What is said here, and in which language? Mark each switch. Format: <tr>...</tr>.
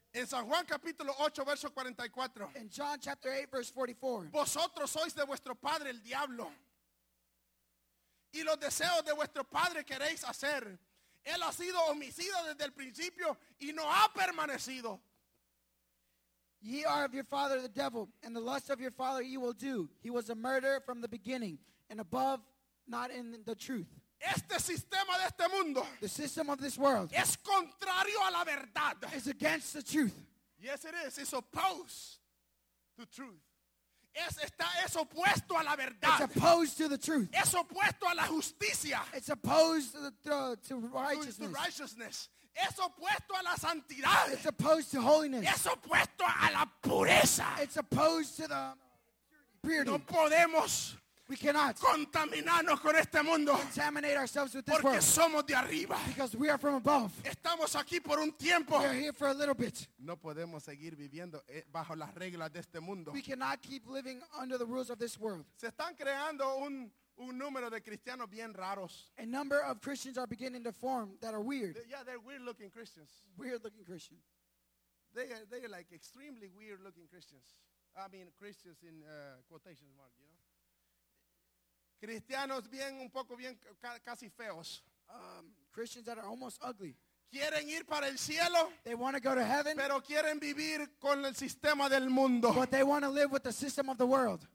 <es>En San Juan capítulo 8 verso 44.</es> <en>In John chapter 8 verse 44.</en> <es>Vosotros sois de vuestro padre el diablo. Y los deseos de vuestro padre queréis hacer. Él ha sido homicida desde el principio y no ha permanecido.</es> <en>Ye are of your father the devil, and the lust of your father ye will do. He was a murderer from the beginning, and above not in the truth.</en> <es>Este sistema de este mundo,</es> <en>the system of this world,</en> <es>es contrario a la verdad.</es> <en>Is against the truth. Yes, it is. It's opposed to truth.</en> <es>Es opuesto a la verdad.</es> <en>It's opposed to the truth.</en> <es>Es opuesto a la justicia.</es> <en>It's opposed to righteousness. To righteousness.</en> <es>Es opuesto a la santidad.</es> <en>It's opposed to holiness.</en> <es>Es opuesto a la pureza.</es> <en>It's opposed to the purity.</en> <es>No podemos.</es> <en>We cannot</en> <es>contaminarnos con este mundo,</es> <en>contaminate ourselves with this</en> <es>porque</es> <en>world,</en> <es>somos de arriba,</es> <en>because we are from above.</en> <es>Estamos aquí por un tiempo,</es> <en>we are here for a little bit.</en> <es>No podemos seguir viviendo bajo las reglas de este mundo.</es> <en>We cannot keep living under the rules of this world.</en> <es>Se están creando un número de cristianos bien raros.</es> <en>A number of Christians are beginning to form that are weird. Yeah, they're weird-looking Christians. Weird-looking Christians. They are like extremely weird-looking Christians. I mean, Christians in quotation mark, you know.</en> <es>Cristianos bien un poco bien casi feos.</es> <en>Christians that are almost ugly.</en> <es>Quieren ir para el cielo,</es> <en>they want to go to heaven,</en> <es>pero quieren vivir con el sistema del mundo.</es> <en>But they want to live with the system of the world.</en>